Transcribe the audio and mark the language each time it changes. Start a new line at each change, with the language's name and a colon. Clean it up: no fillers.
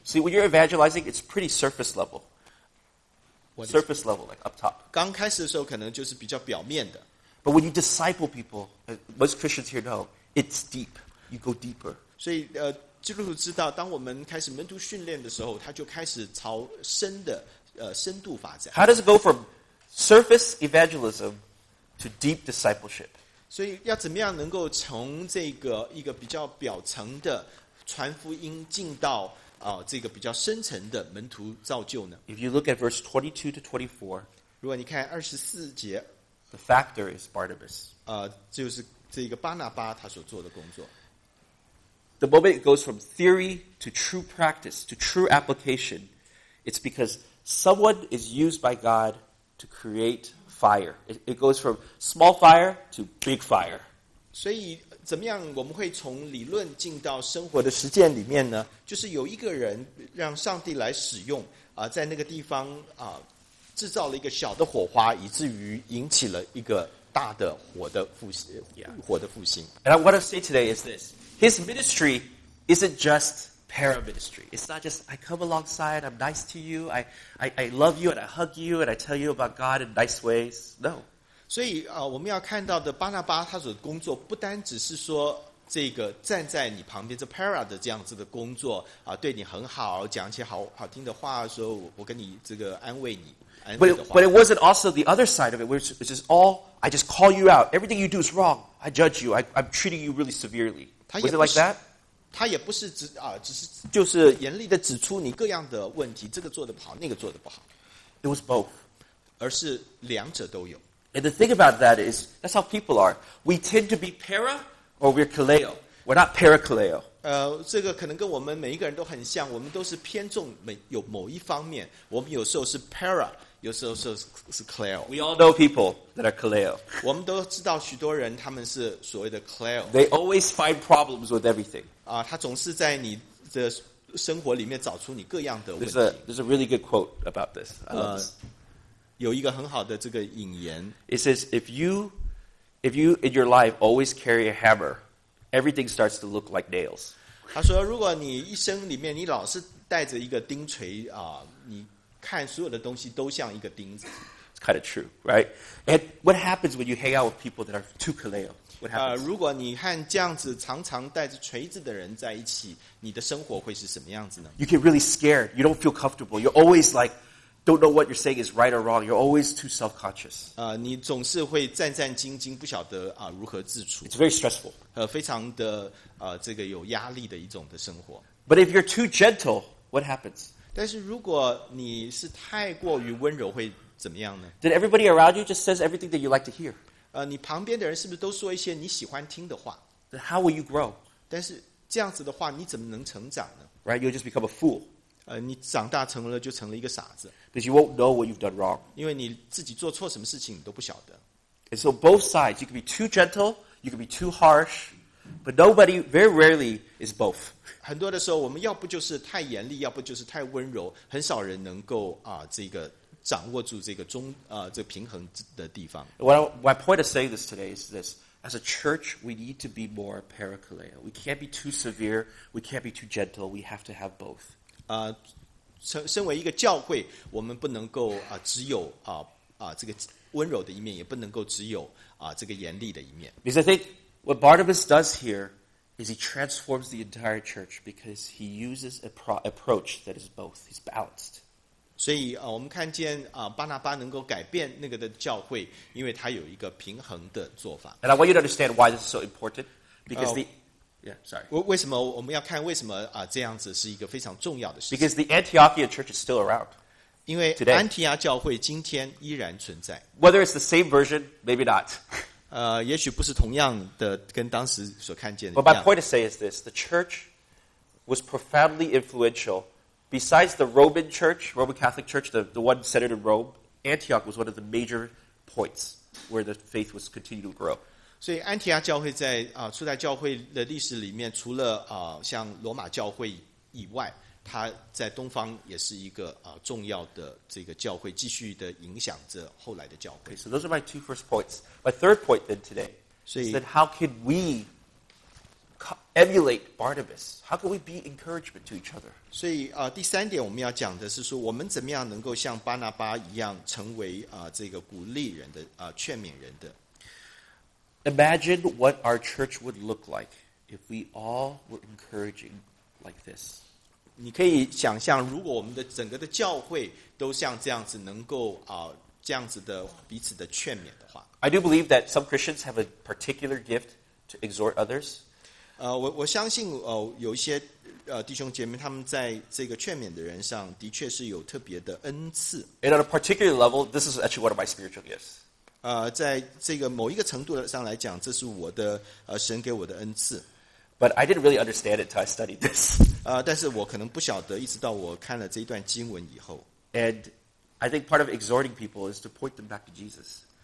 English: See, when you're evangelizing, it's pretty surface level. Surface level, like up top.
Chinese: 刚开始的时候可能就是比较表面的。
English: But when you disciple people, as most Christians here know, it's deep. You go deeper.
Chinese: 所以基督徒知道，当我们开始门徒训练的时候，他就开始朝深的深度发展。
English: How does it go from surface evangelism to deep discipleship?
Chinese: 所以要怎么样能够从这个一个比较表层的传福音进到这个比较深层的门徒造就呢？
English: If you look at verse 22 to 24,
Chinese: 如果你看二十四节。
English: The factor is Barnabas.
Chinese: 就是这个巴拿巴他所做的工作。
English: The moment it goes from theory to true practice to true application, it's because someone is used by God to create fire. It goes from small fire to big fire.
Chinese: 所以怎么样我们会从理论进到生活的实践里面呢？就是有一个人让上帝来使用在那个地方制造了一个小的火花，以至于引起了一个大的火的复兴。
English: And what I want to say today is this: His ministry isn't just para ministry. It's not just I come alongside, I'm nice to you, I love you, and I hug you, and I tell you about God in nice ways. No.
Chinese: 所以我们要看到的巴拿巴他所的工作，不单只是说这个站在你旁边这 para 的这样子的工作对你很好，讲一些好听的话，说我跟你这个安慰你。
English: But it wasn't also the other side of it, which is all, I just call you out. Everything you do is wrong. I judge you. I'm treating you really severely. Was it like that?
Chinese: 他也不是只是严厉的指出你各样的问题，这个做得不好，那个做得不好。
English: It was both.
Chinese: 而是两者都有。
English: And the thing about that is, that's how people are. We tend to be para or we're kaleo. We're not para kaleo.
Chinese: 这个可能跟我们每一个人都很像，我们都是偏重有某一方面，我们有时候是 para， 有时候是 kaleo。
English: We all know people that are kaleo.
Chinese: 我们都知道许多人他们是所谓的 kaleo。
English: They always find problems with everything.
Chinese: 他总是在你的生活里面找出你各样的问题。
English: There's a really good quote about this. I love this.
Chinese: 有一个很好的这个引言。
English: It says, if you in your life always carry a hammer,Everything starts to look like nails.
Chinese: 他说，如果你一生里面你老是带着一个钉锤你看所有的东西都像一个钉子。
English: It's kind of true, right? And what happens when you hang out with people that are too kaleo? What happens?
Chinese: 如果你和这样子常常带着锤子的人在一起，你的生活会是什么样子呢？
English: You get really scared. You don't feel comfortable. You're always like, don't know what you're saying is right or wrong. You're always too self-conscious.
Chinese: 你总是会战战兢兢，不晓得如何自处。
English: It's very stressful.
Chinese: 非常的这个有压力的一种的生活。
English: But if you're too gentle, what happens?
Chinese: 但是如果你是太过于温柔，会怎么样呢？
English: Then everybody around you just says everything that you like to hear.
Chinese: 你旁边的人是不是都说一些你喜欢听的话？
English: Then how will you grow?
Chinese: 但是这样子的话，你怎么能成长呢？
English: Right, you'll just become a fool.
Chinese: 你长大成了就成了一个傻子。
English: Because you won't know what you've done wrong.
Chinese: 因为你自己做错什么事情，你都不晓得。
English: And so both sides, you can be too gentle. You can be too harsh, but nobody, very rarely, is both.
Chinese: 很多的时候，我们要不就是太严厉，要不就是太温柔。很少人能够这个掌握住这个中啊、这平衡的地方。
English: My point of saying this today is this: as a church, we need to be more parakaleo. We can't be too severe. We can't be too gentle. We have to have both.
Chinese: 身为一个教会，我们不能够啊、只有啊啊、这个温柔的一面，也不能够只有啊、这个严厉的一面。
English: Because I think what Barnabas does here is he transforms the entire church because he uses a approach that is both. He's balanced.
Chinese: 所以啊、我们看见啊、巴拿巴能够改变那个的教会，因为他有一个平衡的做法。
English: And I want you to understand why this is so important because the
Chinese: 为什么我们要看为什么啊、这样子是一个非常重要的事情
English: ？Because the Antiochian church is still around.
Chinese: 因为安提阿教会今天依然存在。
English: Whether it's the same version, maybe not.
Chinese: 也许不是同样的，跟当时所看见的。
English: But my point to say is this: the church was profoundly influential. Besides the Roman Church, Roman Catholic Church, the one centered in Rome, Antioch was one of the major points where the faith was continued to grow.
Chinese: 所以安提阿教会在、初代教会的历史里面，除了、像罗马教会以外，它在东方也是一个、重要的这个教会，继续的影响着后来的教会。
English: Okay, so those are my two first points. My third point then today is that how can we emulate Barnabas? How can we be encouragement to each other?
Chinese: 所以、第三点我们要讲的是说，我们怎么样能够像巴拿巴一样，成为、这个鼓励人的、劝勉人的。
English: Imagine what our church would look like if we all were encouraging like this.
Chinese: 你可以想象，如果我们的整个的教会都像这样子，能够啊、这样子的彼此的劝勉的话。
English: I do believe that some Christians have a particular gift to exhort others.
Chinese: 我相信有一些弟兄姐妹他们在这个劝勉的人上的确是有特别的恩赐。
English: And on a particular level, this is actually one of my spiritual gifts.
Chinese: 在这个某一个程度上来讲，这是我的神给我的恩赐。
English: But I didn't really understand it until I studied this.
Chinese: 但是我可能不晓得，一直到我看了这一段经文以后。
English: And I think part of exhorting people is to point them back to Jesus.